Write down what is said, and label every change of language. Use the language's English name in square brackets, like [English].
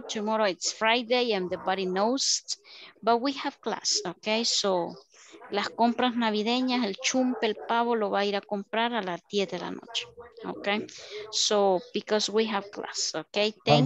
[English] Tomorrow it's Friday and everybody knows, but we have class. [Spanish] Okay, so las compras navideñas, el chumpe, el pavo lo va a ir a comprar a las 10 de la noche. [English] Okay, so because we have class, okay, thank